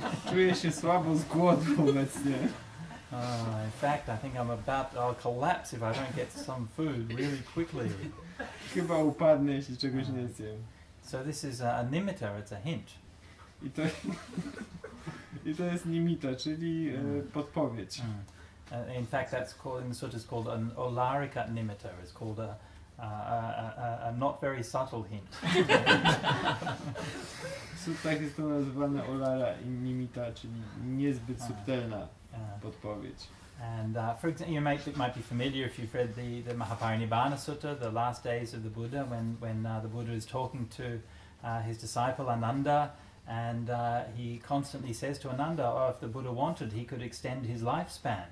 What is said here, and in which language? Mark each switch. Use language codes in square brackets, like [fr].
[pl] Czuję się słabo z głodu obecnie. [en] In fact, I think I'm about to collapse if I don't get some food really quickly. [pl] Chyba upadnę, jeśli czegoś nie zjem. [en] So this is a nimitta, it's a hint. [pl] I to jest nimitta, czyli podpowiedź. Mm. [en] In fact, that's called, in the sutta, it's called an olarika nimitta. It's called a not very subtle hint. [pl] Sutta jest to nazywane olara nimitta, czyli niezbyt subtelna. Podpowiedź. [en] And for example, you might be familiar if you've read the Mahaparinibbana Sutta, the last days of the Buddha, when the Buddha is talking to his disciple Ananda, and he constantly says to Ananda, oh, if the Buddha wanted, he could extend his lifespan.